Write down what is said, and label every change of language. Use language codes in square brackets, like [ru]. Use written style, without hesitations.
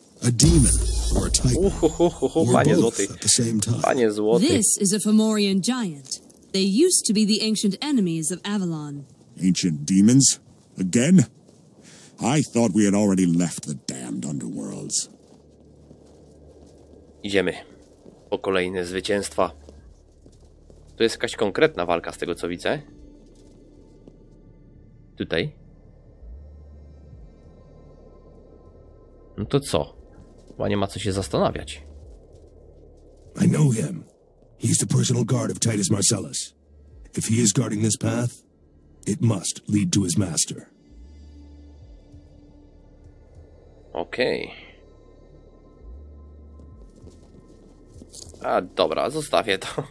[en] A demon or a titan? [pl] Panie złoty. Panie złoty. [en] This is a Fomorian giant. They used to be the ancient enemies of Avalon. Ancient demons? Again? I thought we had already left the damned underworlds. [pl] Idziemy po kolejne zwycięstwa. To jest jakaś konkretna walka z tego co widzę. Tutaj. No to co? Chyba nie ma co się zastanawiać. [en] I know him. He's the personal guard of Titus Marcellus. If he is guarding this path, it must lead to his master. [pl] Okej. Okay. A dobra, zostawię to.